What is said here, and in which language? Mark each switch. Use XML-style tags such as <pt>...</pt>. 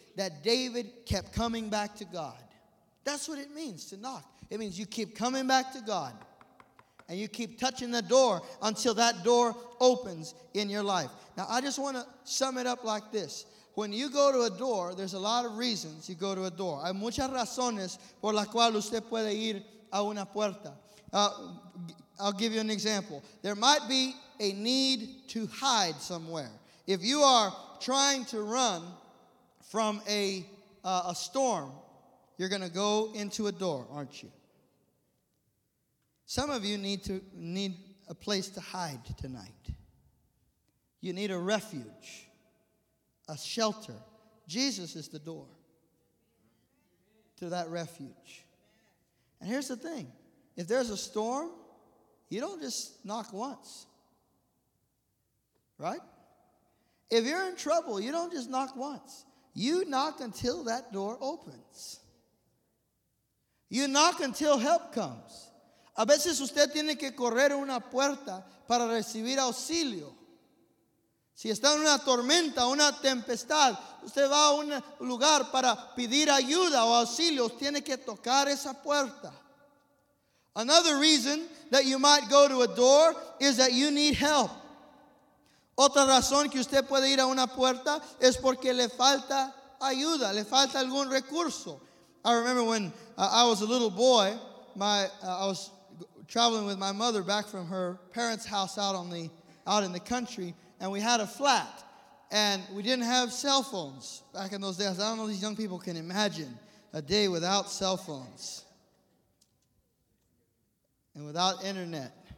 <en>That David kept coming back to God. That's what it means to knock. It means you keep coming back to God. And you keep touching the door until that door opens in your life. Now, I just want to sum it up like this. When you go to a door, there's a lot of reasons you go to a door.</en> <es>Hay muchas razones por las cuales usted puede ir a una puerta.</es> <en>I'll give you an example. There might be a need to hide somewhere. If you are trying to run from a storm, you're going to go into a door, aren't you? Some of you need a place to hide tonight. You need a refuge, a shelter. Jesus is the door to that refuge. And here's the thing. If there's a storm, you don't just knock once. Right? If you're in trouble, you don't just knock once. You knock until that door opens. You knock until help comes.</en> <es>A veces usted tiene que correr una puerta para recibir auxilio. Si está en una tormenta, una tempestad, usted va a un lugar para pedir ayuda o auxilio. Tiene que tocar esa puerta.</es> <en>Another reason that you might go to a door is that you need help.</en> <es>Otra razón que usted puede ir a una puerta es porque le falta ayuda, le falta algún recurso.</es> <en>I remember when I was a little boy, I was traveling with my mother back from her parents' house out in the country, and we had a flat, and we didn't have cell phones back in those days. I don't know if these young people can imagine a day without cell phones and without internet.</en>